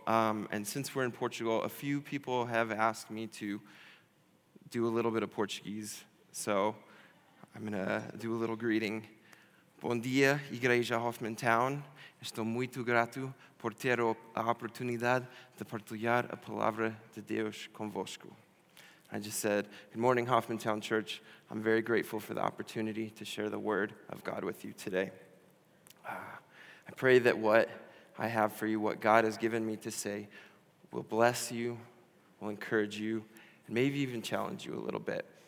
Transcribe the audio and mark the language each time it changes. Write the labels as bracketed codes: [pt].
[en] And since we're in Portugal, a few people have asked me to do a little bit of Portuguese. So I'm going to do a little greeting. [pt] Bom dia, Igreja Hoffmantown. Estou muito grato por ter a oportunidade de partilhar a palavra de Deus convosco. [en] I just said, good morning, Hoffmantown Church. I'm very grateful for the opportunity to share the word of God with you today. I pray that what I have for you, what God has given me to say, will bless you, will encourage you, and maybe even challenge you a little bit.